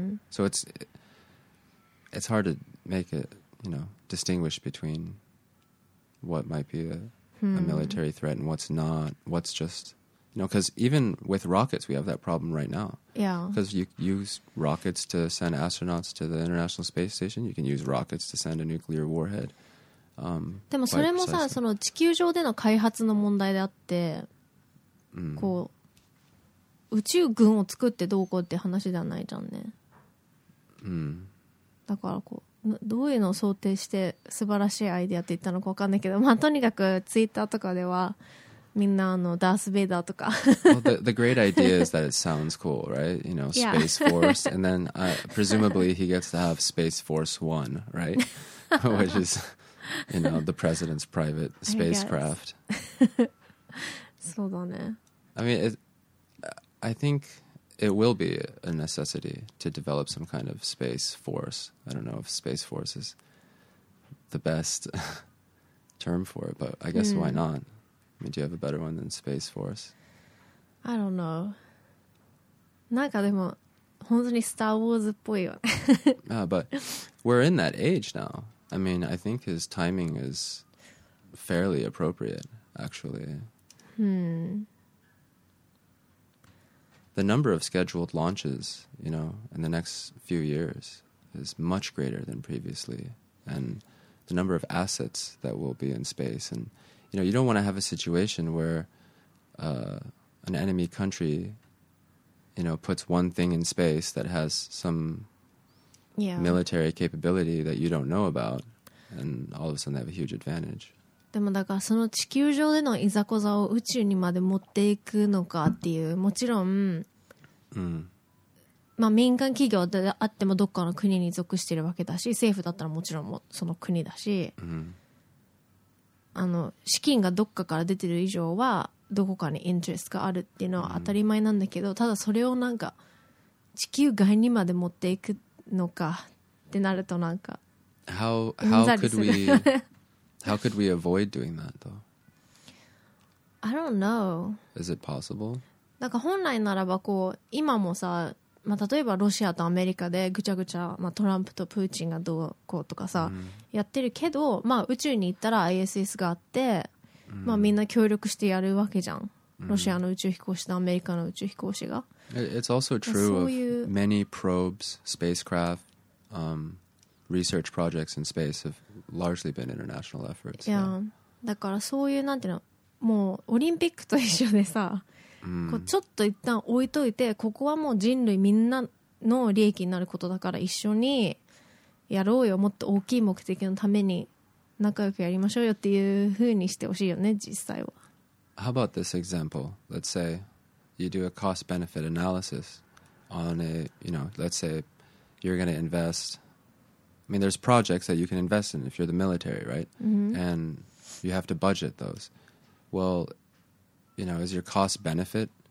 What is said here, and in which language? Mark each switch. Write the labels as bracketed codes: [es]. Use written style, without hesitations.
[en] So it's hard to make it, you know, distinguish between what might be a military threat and what's not, what's just... You know, because even with rockets, we have that problem right now. Yeah. Because you use rockets to send astronauts to the International Space Station. You can use rockets to send a nuclear warhead. [ja] でもそれもさ、その地球上での開発の問題であって、こう、宇宙軍を作ってどうこうって話ではないじゃんね。だからこう、どういうのを想定して素晴らしいアイデアって言ったのか分かんないけど、まあとにかくツイッターとかでは、みんなあのダースベイダーとか。 [en] The great idea is that it sounds cool, right? You know, Space Force, and then presumably he gets to have Space Force One, right? Which is, you know, the president's private spacecraft. [ja] そうだね。 [en] I mean, I think it will be a necessity to develop some kind of space force. I don't know if Space Force is the best term for it, but I guess why not? I mean, do you have a better one than Space Force? I don't know. [ja] なんかでも本当にスターウォーズっぽいよね。 [en] Ah, but we're in that age now. I mean, I think his timing is fairly appropriate, actually. The number of scheduled launches, you know, in the next few years is much greater than previously. And the number of assets that will be in space andYou know, you don't want to have a situation where an enemy country, you know, puts one thing in space that has some military capability that you don't know about, and all of a sudden they have a huge advantage. [ja] でもだからその地球上でのいざこざを宇宙にまで持っていくのかっていう、もちろん、まあ民間企業であってもどっかの国に属しているわけだし、政府だったらもちろんもその国だし。あの資金がどっかから出てる以上はどこかにインテレストがあるっていうのは当たり前なんだけど、ただそれをなんか地球外にまで持っていくのかってなるとなんか [en] How could we avoid doing that though? I don't know. Is it possible? [ja] なんか本来ならばこう今もさ、まあ、例えばロシアとアメリカでぐちゃぐちゃ、まあ、トランプとプーチンがどうこうとかさ、やってるけど、まあ、宇宙に行ったら ISS があって、まあ、みんな協力してやるわけじゃん、ロシアの宇宙飛行士とアメリカの宇宙飛行士が。 [en] It's also true of many probes, spacecraft, research projects in space have largely been international efforts. Yeah. [ja] だからそういうなんていうの、もうオリンピックと一緒でさ、こうちょっと一旦置いといて、ここはもう人類みんなの利益になることだから一緒にやろうよ、もっと大きい目的のために仲良くやりましょうよっていう風にしてほしいよね、実際は。 [en] How about this example? Let's say you do a cost-benefit analysis on a, you know, let's say you're going to invest, I mean there's projects that you can invest in if you're the military, right? And you have to budget those. Well,You know, is your cost benefit?